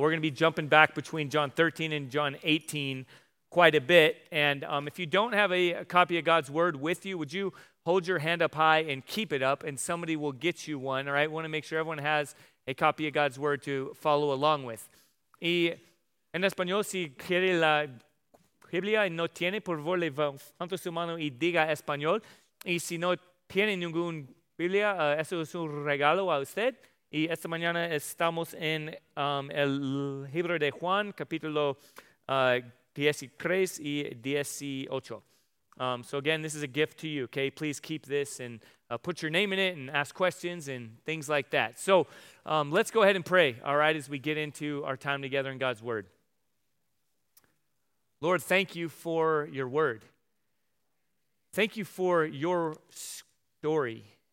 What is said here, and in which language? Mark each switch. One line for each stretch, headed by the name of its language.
English: We're going to be jumping back between John 13 and John 18 quite a bit. And if you don't have a copy of God's word with you, would you hold your hand up high and keep it up, and somebody will get you one, all right? I want to make sure everyone has a copy of God's word to follow along with.
Spanish: Y en español, si quiere la Biblia y no tiene, por favor, levante su mano y diga español. Y si no tiene ninguna Biblia, eso es un regalo a usted. Y esta mañana estamos en el libro de Juan, capítulo 13 y 18.
English: So again, this is a gift to you, okay? Please keep this and put your name in it and ask questions and things like that. So let's go ahead and pray, all right, as we get into our time together in God's word. Lord, thank you for your word. Thank you for your story.